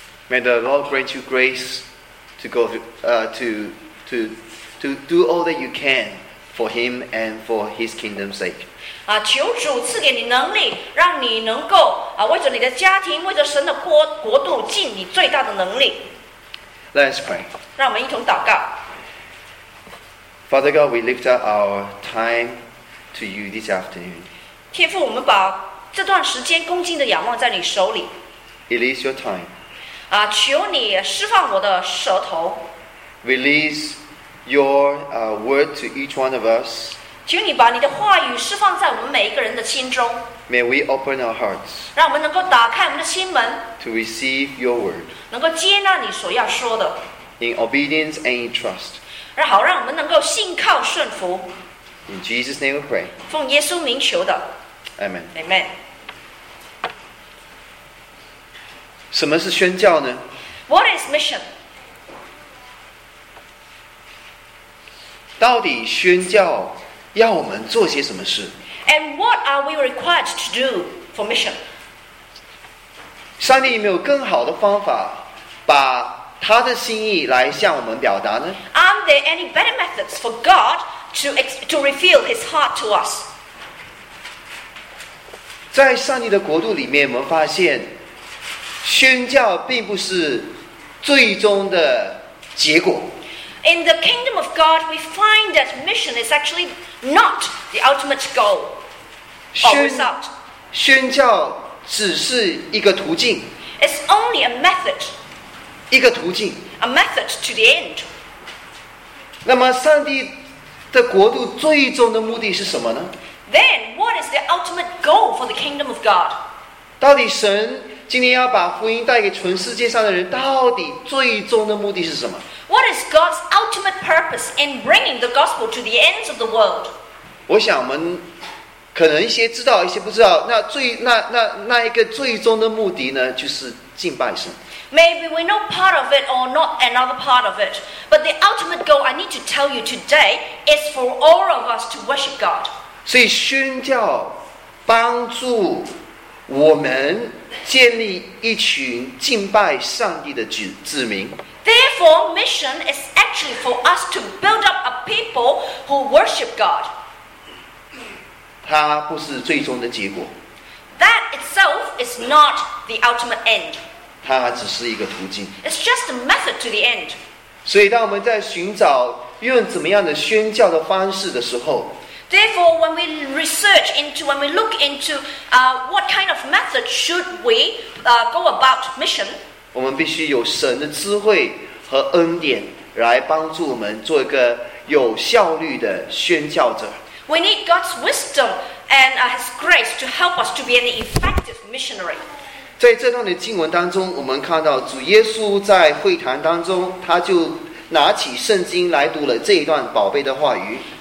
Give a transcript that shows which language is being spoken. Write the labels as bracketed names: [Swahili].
[English] May the Lord grant you grace to go to do all that you can for him and for his kingdom's sake. [Chinese] 求主赐给你能力让你能够为着你的家庭为着神的国度尽你最大的能力。 [English] Let's pray. [Chinese] 让我们一同祷告。 [English] Father God, we lift up our time to you this afternoon. [Chinese] 天父，我们把这段时间恭敬的仰望在你手里。 [English] It is your time. [Chinese] 求你释放我的舌头。 [English] Release your word to each one of us. [Chinese] 请你把你的话语释放在我们每一个人的心中。 [English] May we open our hearts. [Chinese] 让我们能够打开我们的心门。 [English] To receive your word. [Chinese] 能够接纳你所要说的 [English] in obedience and in trust [Chinese] 好让我们能够信靠顺服 [English] in Jesus name we pray [Chinese] 奉耶稣名求的 [English] Amen. Amen [Chinese] 什么是宣教呢？ [English] What is mission? [Chinese] 到底宣教要我们做些什么事？ [English] And what are we required to do for mission? [Chinese] 上帝有没有更好的方法把他的心意来向我们表达呢？ [English] Are there any better methods for God to reveal his heart to us? [Chinese] 在上帝的国度里面，我们发现宣教并不是最终的结果。 [English] In the kingdom of God, we find that mission is actually not the ultimate goal or result. [Chinese] 宣教只是一个途径。 [English] It's only a method. [Chinese] 一个途径。 [English] A method to the end. [Chinese] 那么上帝的国度最终的目的是什么呢？ [English] Then what is the ultimate goal for the kingdom of God? [Chinese] 到底神今天要把福音带给全世界上的人，到底最终的目的是什么？ [English] What is God's ultimate purpose in bringing the gospel to the ends of the world? [Chinese] 我想我们可能一些知道，一些不知道。那一个最终的目的呢，就是敬拜神。 [English] Maybe we know part of it or not another part of it, but the ultimate goal I need to tell you today is for all of us to worship God. [Chinese] 所以宣教帮助我们建立一群敬拜上帝的子民。 [English] Therefore, mission is actually for us to build up a people who worship God. [Chinese] 它不是最终的结果。 [English] That itself is not the ultimate end. [Chinese] 它只是一个途径。 [English] It's just a method to the end. [Chinese] 所以当我们在寻找用怎么样的宣教的方式的时候， [English] Therefore, when we research into, when we look into, what kind of method should we, go about mission, [Chinese] 我们必须有神的智慧和恩典来帮助我们做一个有效率的宣教者。 [English] We need God's wisdom and His grace to help us to be an effective missionary. [Chinese] 在这段的经文当中，我们看到主耶稣在会堂当中，他就拿起圣经来读了这一段宝贝的话语。